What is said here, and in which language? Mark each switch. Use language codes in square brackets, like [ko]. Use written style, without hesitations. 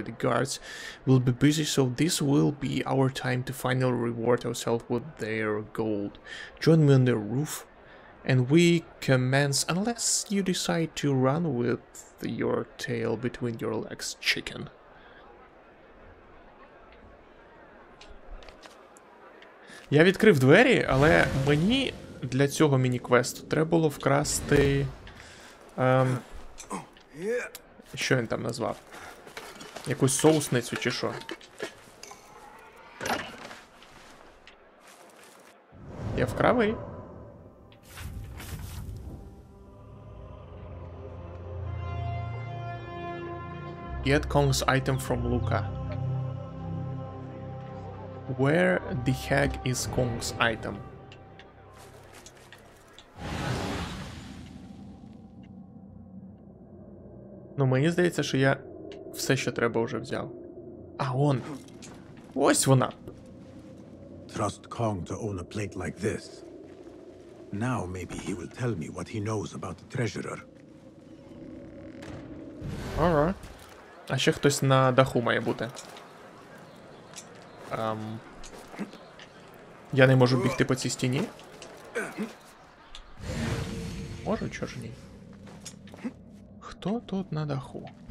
[en] The guards will be busy, so this will be our time to finally reward ourselves with their gold. Join me on the roof. And we commence, unless you decide to run with your tail between your legs, chicken. [uk] Я відкрив двері, але мені для цього міні-квесту треба було вкрасти... Що він там назвав? Якусь соусницю чи що? Я вкрав її. [en] Get Kong's item from Luca. Where the heck is Kong's item? [uk] Ну, мені здається, що я все, що треба, вже взяв. А, он. Ось вона. [en] Trust Kong to own a plate like this. Now maybe he will tell me what he knows about the treasurer. Alright. [uk] А ще хтось на даху має бути. Я не можу бігти по цій стіні. Можу, чого ж ні? Хто тут на даху?